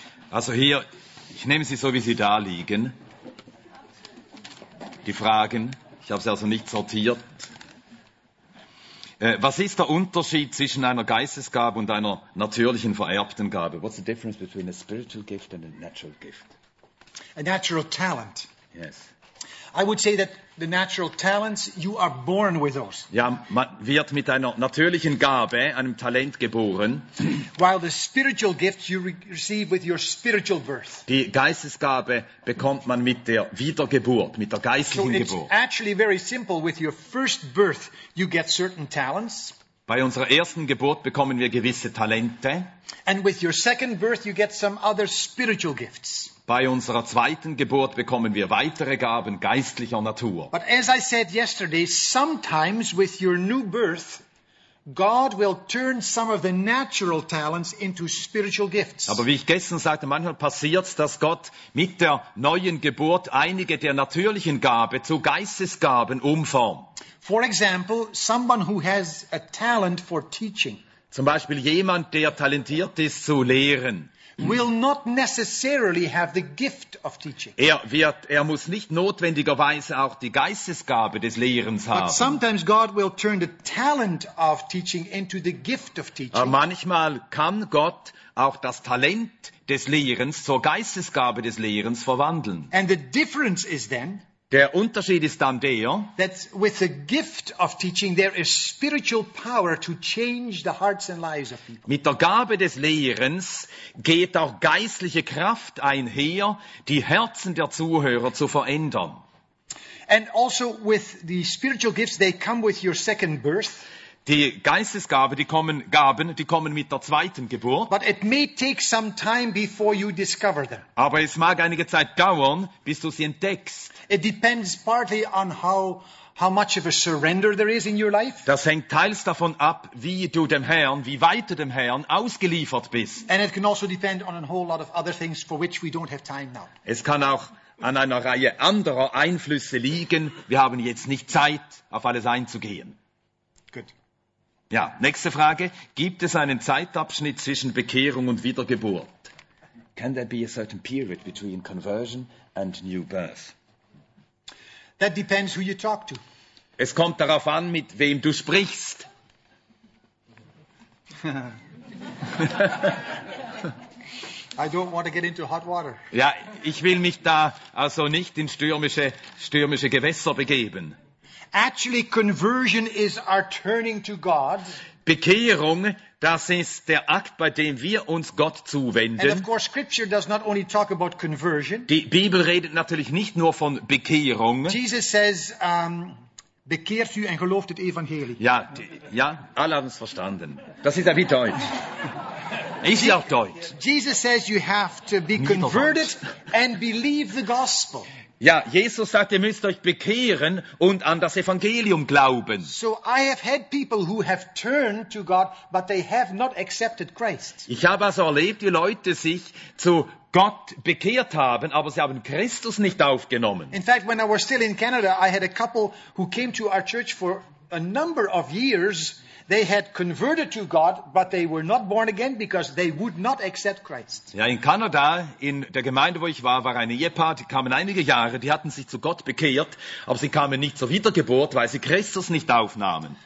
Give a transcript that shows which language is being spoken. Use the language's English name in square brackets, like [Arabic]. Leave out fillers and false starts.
[German] Also hier, ich nehme sie so, wie sie da liegen. Die Fragen, ich habe sie also nicht sortiert. Was ist der Unterschied zwischen einer Geistesgabe und einer natürlichen vererbten Gabe? [English] What's the difference between a spiritual gift and a natural gift? A natural talent. Yes. I would say that the natural talents, you are born with those. [German] Ja, man wird mit einer natürlichen Gabe, einem Talent geboren. [English] While the spiritual gifts you receive with your spiritual birth. [German] Die Geistesgabe bekommt man mit der Wiedergeburt, mit der geistlichen Geburt. [English] So it's actually very simple. With your first birth, you get certain talents. [German] Bei unserer ersten Geburt bekommen wir gewisse Talente. [English] And with your second birth, you get some other spiritual gifts. [German] Bei unserer zweiten Geburt bekommen wir weitere Gaben geistlicher Natur. [English] But as I said yesterday, sometimes with your new birth, God will turn some of the natural talents into spiritual gifts. [German] Aber wie ich gestern sagte, manchmal passiert es, dass Gott mit der neuen Geburt einige der natürlichen Gaben zu Geistesgaben umformt. [English] For example, someone who has a talent for teaching. [German] Zum Beispiel jemand, der talentiert ist zu lehren. [English] Will not necessarily have the gift of teaching. [German] Er muss nicht notwendigerweise auch die Geistesgabe des Lehrens haben. [English] But sometimes God will turn the talent of teaching into the gift of teaching. [German] Aber manchmal kann Gott auch das Talent des Lehrens zur Geistesgabe des Lehrens verwandeln. [English] And the difference is then. [German] Der Unterschied ist dann der, [English] that with the gift of teaching there is spiritual power to change the hearts and lives of people. [German] Mit der Gabe des Lehrens geht auch geistliche Kraft einher, die Herzen der Zuhörer zu verändern. [English] And also with the spiritual gifts they come with your second birth. [German] Die Geistesgabe, die kommen Gaben, die kommen mit der zweiten Geburt. [English] But it may take some time before you discover them. [German] Aber es mag einige Zeit dauern, bis du sie entdeckst. [English] It depends partly on how much of a surrender there is in your life. [German] Das hängt teils davon ab, wie du dem Herrn, wie weit du dem Herrn ausgeliefert bist. [English] And it can also depend on a whole lot of other things for which we don't have time now. [German] Es kann auch an einer Reihe anderer Einflüsse liegen. Wir haben jetzt nicht Zeit, auf alles einzugehen. [English] Good. [German] Ja, nächste Frage. Gibt es einen Zeitabschnitt zwischen Bekehrung und Wiedergeburt? [English] Can there be a certain period between conversion and new birth? That depends who you talk to. [German] Es kommt darauf an, mit wem du sprichst. [English] I don't want to get into hot water. [German] Ja, ich will mich da also nicht in stürmische Gewässer begeben. [English] Actually, conversion is our turning to God. [German] Bekehrung, das ist der Akt, bei dem wir uns Gott zuwenden. [English] And of course, Scripture does not only talk about conversion. [German] Die Bibel redet natürlich nicht nur von Bekehrung. [English] Jesus says, [German] bekehrt euch und glaubt das Evangelium. Ja, alle haben es verstanden. Das ist ja wie Deutsch. Ist ja auch Deutsch. [English] Jesus says, you have to be converted and believe the gospel. [German] Ja, Jesus sagt, ihr müsst euch bekehren und an das Evangelium glauben. [English] So I have had people who have turned to God, but they have not accepted Christ. [German] Ich habe also erlebt, wie Leute sich zu Gott bekehrt haben, aber sie haben Christus nicht aufgenommen. [English] In fact, when I was still in Canada, I had a couple who came to our church for a number of years. They had converted to God, but they were not born again because they would not accept Christ. [German] Ja, in Kanada, in der Gemeinde, wo ich war, war ein Ehepaar, die kamen einige Jahre, die hatten sich zu Gott bekehrt, aber sie kamen nicht zur Wiedergeburt, weil sie Christus nicht aufnahmen.